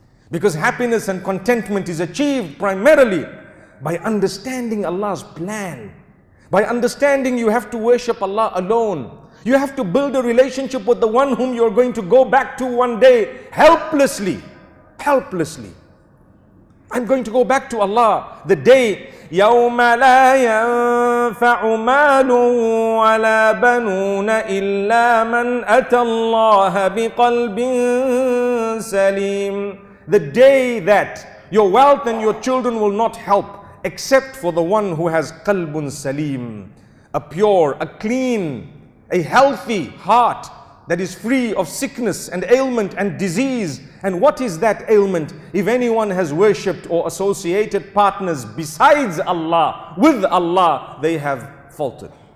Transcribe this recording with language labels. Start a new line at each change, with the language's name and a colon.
English: Because happiness and contentment is achieved primarily by understanding Allah's plan. By understanding you have to worship Allah alone. You have to build a relationship with the one whom you're going to go back to one day helplessly. Helplessly. I'm going to go back to Allah the day
Arabic: يوم لا ينفع مال ولا بنون إلا من أتى الله بقلب سليم.
English: The day that your wealth and your children will not help except for the one who has qalbun salim, a pure, a clean, a healthy heart that is free of sickness and ailment and disease. And what is that ailment? If anyone has worshipped or associated partners besides Allah, with Allah, they have faltered.